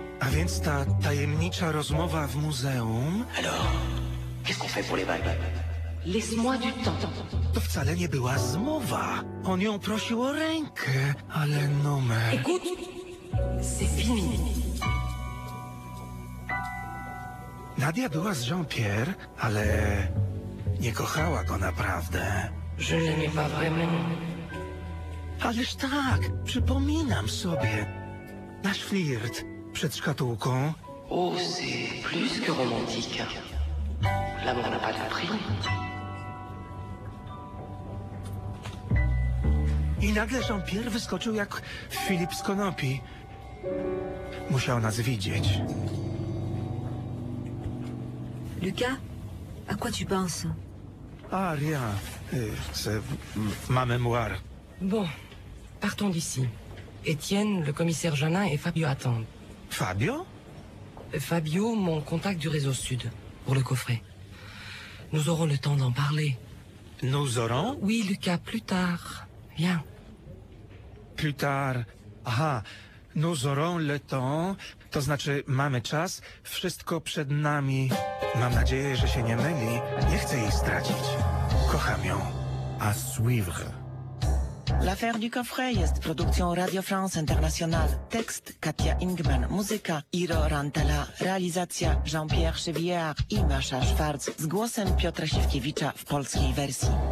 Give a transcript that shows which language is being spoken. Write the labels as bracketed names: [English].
[Polish] Więc ta tajemnicza rozmowa w muzeum... [French] Alors, qu'est-ce qu'on fait pour les balles? Laisse-moi du temps. [Polish] To wcale nie była zmowa. On ją prosił o rękę, ale numer... [French] Écoute, c'est fini. [Polish] Nadia była z Jean-Pierre, ale nie kochała go naprawdę. [French] Je l'aimais pas vraiment. [Polish] Ależ tak, przypominam sobie. Nasz flirt. Przed szkatułką. [French] Oh, c'est plus que romantique. L'amour n'a pas de prix. [Polish] I nagle Jean-Pierre wyskoczył jak Filip z konopi. Musiał nas widzieć. [French] Lucas, à quoi tu penses? Ah, rien. C'est ma mémoire. Bon, partons d'ici. Étienne, le commissaire Janin et Fabio attendent. Fabio? Fabio, mon contact du réseau Sud, pour le coffret. Nous aurons le temps d'en parler. Nous aurons? Oui, Lucas, plus tard. Viens. Plus tard. Aha, nous aurons le temps. [Polish] To znaczy, mamy czas. Wszystko przed nami. Mam nadzieję, że się nie myli. Nie chcę jej stracić. Kocham ją. [French] À suivre. [Polish] L'affaire du coffret jest produkcją Radio France International. Tekst Katia Ingman, muzyka Iro Rantala, realizacja Jean-Pierre Chevillard i Masza Schwarz z głosem Piotra Siewkiewicza w polskiej wersji.